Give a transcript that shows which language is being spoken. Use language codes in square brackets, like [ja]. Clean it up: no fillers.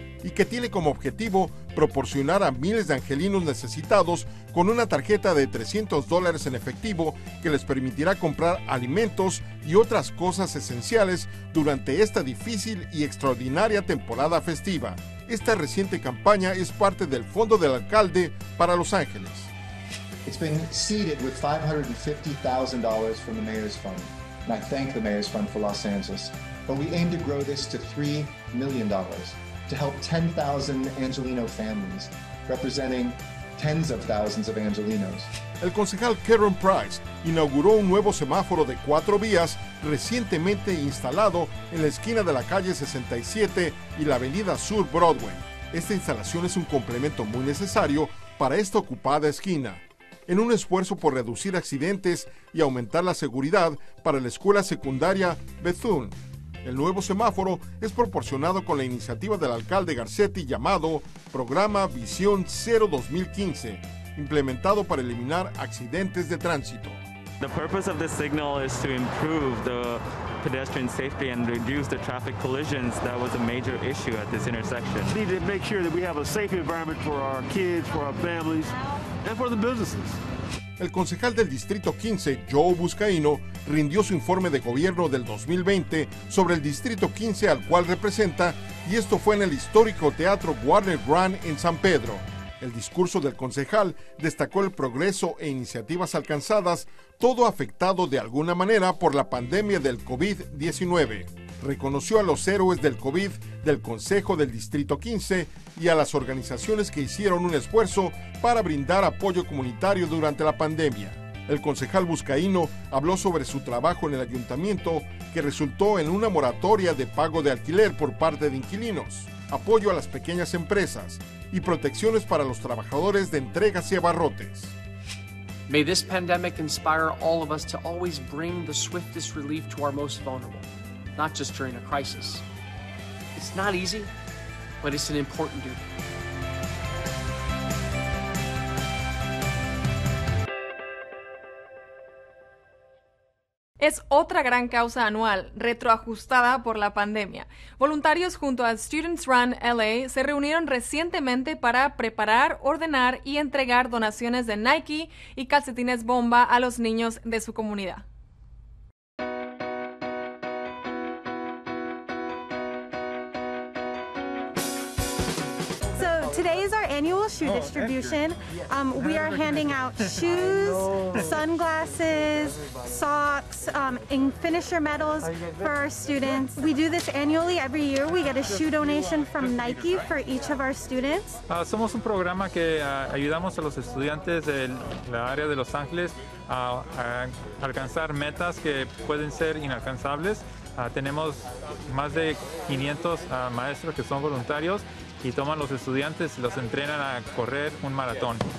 [es] y que tiene como objetivo proporcionar a miles de angelinos necesitados con una tarjeta de $300 en efectivo que les permitirá comprar alimentos y otras cosas esenciales durante esta difícil y extraordinaria temporada festiva. Esta reciente campaña es parte del fondo del alcalde para Los Ángeles. [en] It's been seeded with $550,000 from the Mayor's Fund, and I thank the Mayor's Fund for Los Angeles. But we aim to grow this to $3 million to help 10,000 Angelino families, representing tens of thousands of Angelinos. [es] El concejal Karen Price inauguró un nuevo semáforo de cuatro vías recientemente instalado en la esquina de la calle 67 y la avenida Sur Broadway. Esta instalación es un complemento muy necesario para esta ocupada esquina. En un esfuerzo por reducir accidentes y aumentar la seguridad para la escuela secundaria Bethune, el nuevo semáforo es proporcionado con la iniciativa del alcalde Garcetti llamado Programa Visión Cero 2015, implementado para eliminar accidentes de tránsito. [en] The purpose of this signal is to improve the pedestrian safety and reduce the traffic collisions that was a major issue at this intersection. We need to make sure that we have a safe environment for our kids, for our families, and for the businesses. [es] El concejal del Distrito 15, Joe Buscaino, rindió su informe de gobierno del 2020 sobre el Distrito 15 al cual representa, y esto fue en el histórico Teatro Warner Grand en San Pedro. El discurso del concejal destacó el progreso e iniciativas alcanzadas, todo afectado de alguna manera por la pandemia del COVID-19. Reconoció a los héroes del COVID del Consejo del Distrito 15 y a las organizaciones que hicieron un esfuerzo para brindar apoyo comunitario durante la pandemia. El concejal Buscaino habló sobre su trabajo en el ayuntamiento, que resultó en una moratoria de pago de alquiler por parte de inquilinos, apoyo a las pequeñas empresas y protecciones para los trabajadores de entregas y abarrotes. [en] May this pandemic inspire all of us to always bring the swiftest relief to our most vulnerable, not just during a crisis. It's not easy, but it's an important duty. [es] Es otra gran causa anual, retroajustada por la pandemia. Voluntarios junto a Students Run LA se reunieron recientemente para preparar, ordenar y entregar donaciones de Nike y calcetines bomba a los niños de su comunidad. [en] Annual shoe distribution. We are handing out shoes, sunglasses, socks, and finisher medals for our students. We do this annually. Every year we get a shoe donation from Nike for each of our students. [es] Somos un programa que ayudamos a los estudiantes de la área de Los Ángeles a alcanzar metas que pueden ser inalcanzables. Tenemos más de 500 maestros que son voluntarios y toman los estudiantes y los entrenan a correr un maratón.